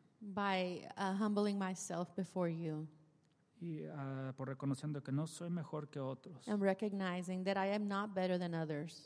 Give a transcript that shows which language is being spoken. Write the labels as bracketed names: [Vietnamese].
[English] By humbling myself before you. [Spanish] Y por reconociendo que no soy mejor que otros. [English] And recognizing that I am not better than others.